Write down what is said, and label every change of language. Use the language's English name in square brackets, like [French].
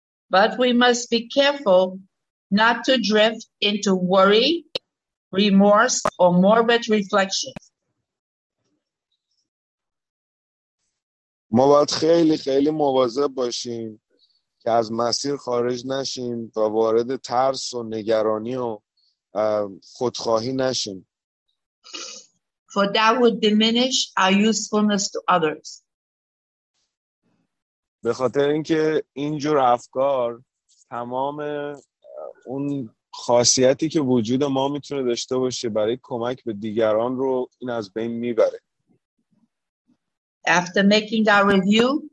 [English] But we must be careful not to drift into worry, remorse or morbid reflections. [Persian] ما باید خیلی خیلی مواظب باشیم که از مسیر خارج نشیم و وارد ترس و نگرانی و خودخواهی نشیم. [English] For that would diminish our usefulness to others. [Persian] به خاطر اینکه اینجور افکار تمام اون خاصیتی که وجود ما میتونه داشته باشه برای کمک به دیگران رو این از بین میبره. [English] After making our review,